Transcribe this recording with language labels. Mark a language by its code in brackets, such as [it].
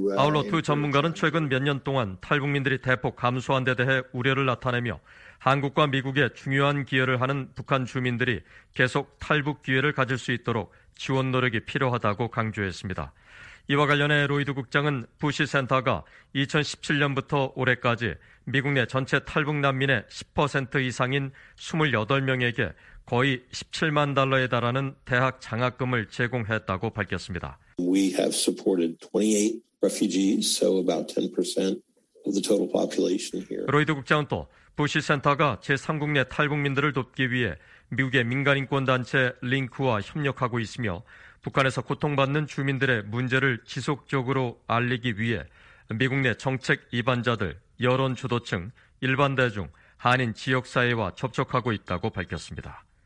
[ko] 아울러 두 전문가는 최근 몇 년 동안 탈북민들이 대폭 감소한 데 대해 우려를 나타내며 한국과 미국에 중요한 기여를 하는 북한 주민들이 계속 탈북 기회를 가질 수 있도록 지원 노력이 필요하다고 강조했습니다. 이와 관련해 로이드 국장은 부시 센터가 2017년부터 올해까지 미국 내 전체 탈북 난민의 10% 이상인 28명에게 거의 17만 달러에 달하는 대학 장학금을 제공했다고 밝혔습니다. [en] We have supported 28 refugees, so about 10% of the total population here. [ko] 로이드 국장은 또 부시 센터가 제3국 내 탈북민들을 돕기 위해 미국의 민간인권단체 링크와 협력하고 있으며 북한에서 고통받는 주민들의 문제를 지속적으로 알리기 위해 미국 내 정책 이반자들, 여론 주도층, 일반 대중, 한인 지역사회와 접촉하고 있다고 밝혔습니다.